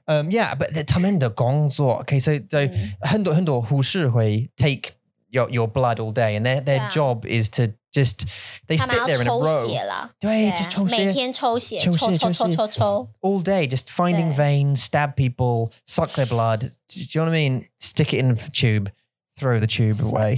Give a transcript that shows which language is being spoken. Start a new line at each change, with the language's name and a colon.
English: yeah, but
Chinese: 他们的工作,
English: okay, so
Chinese: 很多护士会
English: take your blood all day, and their job is to just, they sit there in a row.
Chinese: 对,就抽血,每天抽血,抽抽抽抽抽。
English: All day, just finding veins, stab people, suck their blood. Do you know what I mean? Stick it in the tube, throw the tube away.